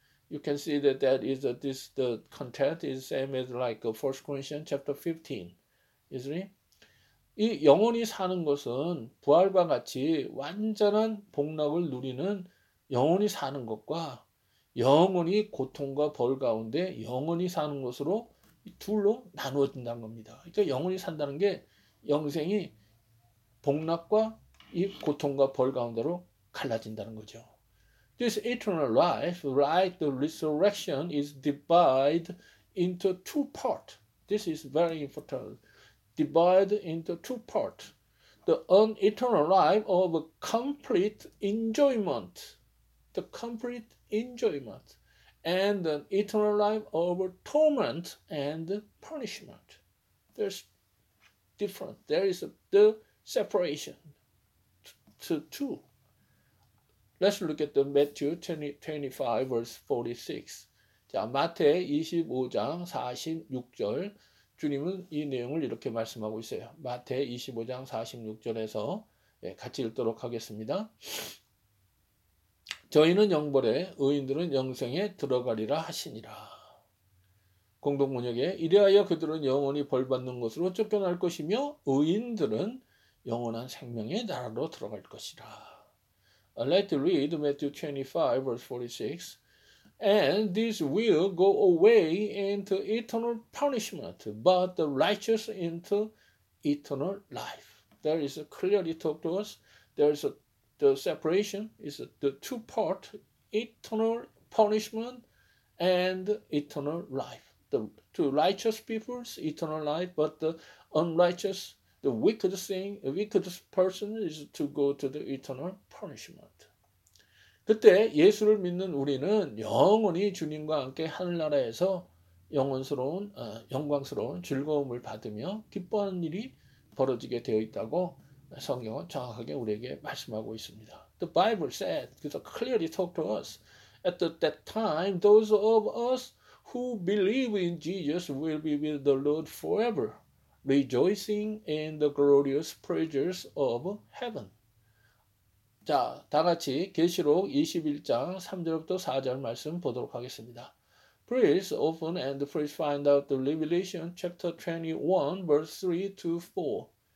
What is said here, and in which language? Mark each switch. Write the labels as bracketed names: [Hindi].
[English] You can see that the content is same as like 1 Corinthians chapter 15. Isn't it? [Korean] 이 영원히 사는 것은 부활과 같이 완전한 복락을 누리는 영원히 사는 것과 영원히 고통과 벌 가운데 영원히 사는 것으로 둘로 나누어진다는 겁니다. 그러니까 영원히 산다는 게 영생이 복락과 이 고통과 벌 가운데로 갈라진다는 거죠. [English] This eternal life, like the resurrection, is divided into two parts. This is very important. Divided into two parts. The eternal life of complete enjoyment. The complete enjoyment and the eternal life of torment and punishment. There's different. There is the separation to two. Let's look at the Matthew 25 verse 46. [Korean] 자, 마태 25장 46절 주님은 이 내용을 이렇게 말씀하고 있어요. 마태 25장 46절에서 예, 같이 읽도록 하겠습니다. 저희는 영벌에 의인들은 영생에 들어가리라 하시니라. 공동문역에 이래하여 그들은 영원히 벌받는 것으로 쫓겨날 것이며 의인들은 영원한 생명의 나라로 들어갈 것이라. [English] I'd like to read Matthew 25 verse 46. And these will go away into eternal punishment, but the righteous into eternal life. There is a clearly talk to us. There is a The separation is the two part, eternal punishment and eternal life. The two righteous people's eternal life, but the unrighteous, the wicked thing, the wicked person is to go to the eternal punishment. [Korean] 그때 예수를 믿는 우리는 영원히 주님과 함께 하늘나라에서 영원스러운, 영광스러운 즐거움을 받으며 기뻐하는 일이 벌어지게 되어 있다고 성경은 정확하게 우리에게 말씀하고 있습니다. [English] The Bible said, it clearly talked to us, at that time, those of us who believe in Jesus will be with the Lord forever, rejoicing in the glorious pleasures of heaven. [Korean] 자, 다 같이 계시록 21장 3절부터 4절 말씀 보도록 하겠습니다. [English] Please open and please find out the Revelation chapter 21, verse 3 to 4.